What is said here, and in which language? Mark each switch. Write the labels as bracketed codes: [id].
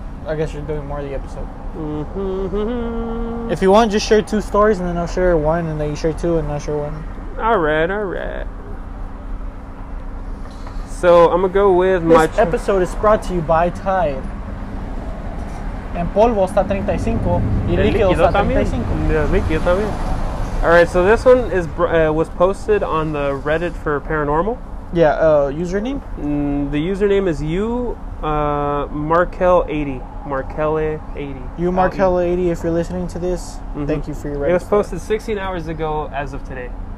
[en] I guess you're doing more of the episode. Mm-hmm. If you want, just share 2 stories, and then I'll share 1, and then you share 2, and I'll share 1. All right. So, I'm going to go with This episode is brought to you by Tide. [es] En polvo está 35, y el líquido está 35. Yeah, líquido también. [en] Alright, so this one is was posted on the Reddit for Paranormal. Yeah, username? The username is you, Markel80. Markele80. You, Markele80, if you're listening to this, thank you for your Reddit. It was posted 16 hours ago as of today.